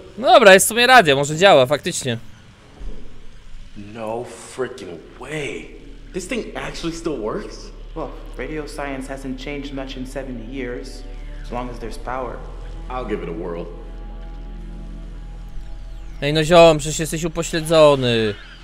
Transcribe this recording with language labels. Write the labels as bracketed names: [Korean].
[Polish] No dobra, jest w sumie radio, może działa, faktycznie. [English] No freaking way. This thing actually still works? Well, radio science hasn't changed much in 70 years, as long as there's power. I'll give it a whirl. [Polish] Ej no ziom, przecież jesteś upośledzony.